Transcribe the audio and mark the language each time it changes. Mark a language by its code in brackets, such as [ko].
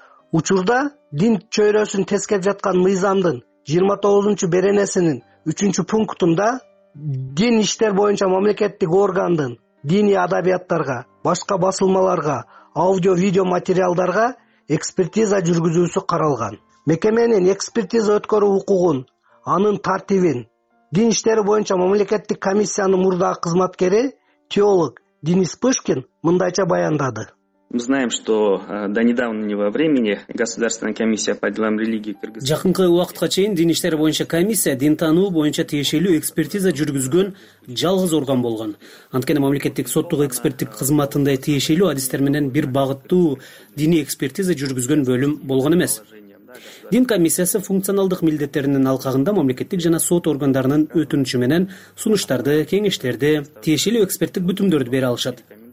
[ky] Учурда дин чөйрөсүн тескеп жаткан мыйзамдын 29-чу беренесинин 3-чү пунктунда дин иштер боюнча мамлекеттик органдын диний адабияттарга, башка басылмаларга, аудио-видео материалдарга экспертиза жүргүзүүсү каралган. Мекеменин экспертиза өткөрүү укугун, анын тартибин дин иштери боюнча мамлекеттик комиссиянын мурдагы кызматкери теолог Денис Пышкин мындайча баяндады. [ru] Мы знаем, что до недавнего времени Государственная комиссия по делам религии Кыргызстана. [ky] Жакынкы убакытка чейин дин иштери боюнча комиссия дин таануу боюнча тиешелүү экспертиза жүргүзгөн жалгыз орган болгон. Анткени мамлекеттик соттук эксперттик кызматындай тиешелүү адистер менен бир багыттуу диний экспертиза жүргүзгөн бөлүм болгон эмес. Дин комиссиясы функционалдык милдеттеринин алкагында мамлекеттик жана сот органдарынын өтүнүчү менен сунуштарды, кеңештерди, тиешелүү эксперттик бүтүмдөрдү бере алышат.